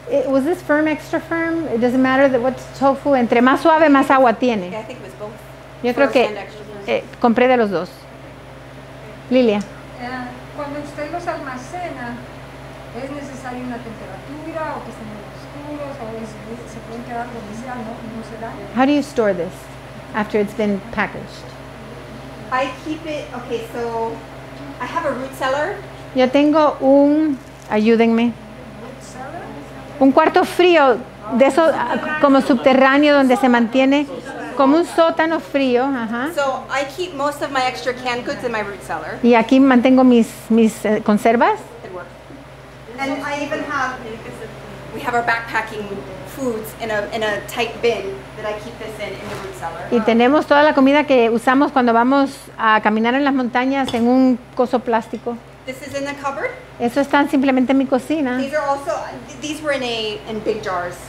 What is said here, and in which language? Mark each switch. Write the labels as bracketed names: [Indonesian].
[English] Was this firm, extra firm? It doesn't matter what tofu. [Spanish] Entre más suave, más agua tiene. [English] Yeah, I think it was both. [Spanish] Yo creo que compré de los dos. Lilia. Cuando usted los almacena, ¿es necesaria una temperatura o que estén oscuros o se pueden quedar donde sea, no se dañan? [English] How do you store this after it's been packaged? I keep it. Okay, so I have a root cellar. [Spanish] Yo tengo un... Ayúdenme. Un cuarto frío, de eso como subterráneo donde se mantiene, como un sótano frío. Ajá. [English] So I keep most of my extra canned goods in my root cellar. [Spanish] Y aquí mantengo mis conservas. [English] And I even have, we have our backpacking foods in a tight bin that I keep this in the root cellar. [Spanish] Y tenemos toda la comida que usamos cuando vamos a caminar en las montañas en un coso plástico. [English] This is in the cupboard. [Spanish] Eso están simplemente en mi cocina. [English] These are also, these were in big jars.